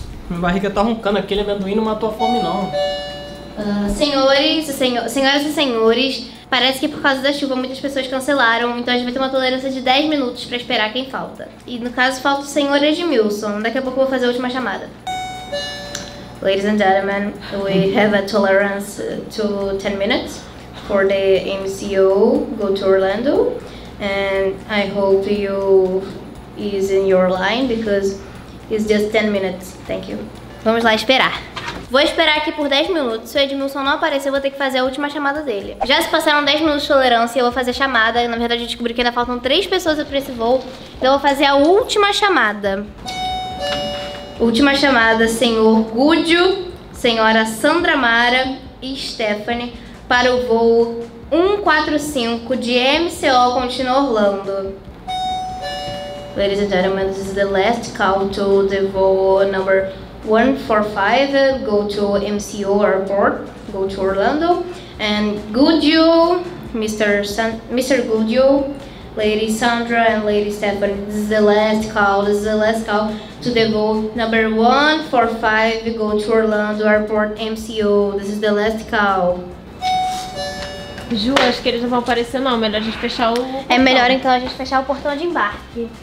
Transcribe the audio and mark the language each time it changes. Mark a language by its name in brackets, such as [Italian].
[Portuguese] Minha barriga tá roncando. Aquele amendoim não matou a fome, não. Senhoras e senhores, parece que por causa da chuva muitas pessoas cancelaram, então a gente vai ter uma tolerância de 10 minutos pra esperar quem falta. E no caso falta o senhor Edmilson, daqui a pouco eu vou fazer a última chamada. [English] Ladies and gentlemen, we have a tolerance to 10 minutes for the MCO go to Orlando. And I hope you is in your line because it's just 10 minutes. Thank you. [Portuguese] Vamos lá esperar. Vou esperar aqui por 10 minutos. Se o Edmilson não aparecer, eu vou ter que fazer a última chamada dele. Já se passaram 10 minutos de tolerância e eu vou fazer a chamada. Na verdade, eu descobri que ainda faltam 3 pessoas pra esse voo. Então eu vou fazer a última chamada. Última chamada, senhor Gúdio, senhora Sandra Mara e Stephanie, para o voo 145 de MCO Continua Orlando. [English] Ladies and gentlemen, this is the last call to the voo number 145, go to MCO Airport, go to Orlando, and Gudjo, Mr. Gudjo, Lady Sandra and Lady Stephen, this is the last call to the boat number 145, go to Orlando Airport, MCO, this is the last call. [Portuguese] Ju, acho que eles não vão aparecer não, melhor a gente fechar o portão. É melhor então a gente fechar o portão de embarque.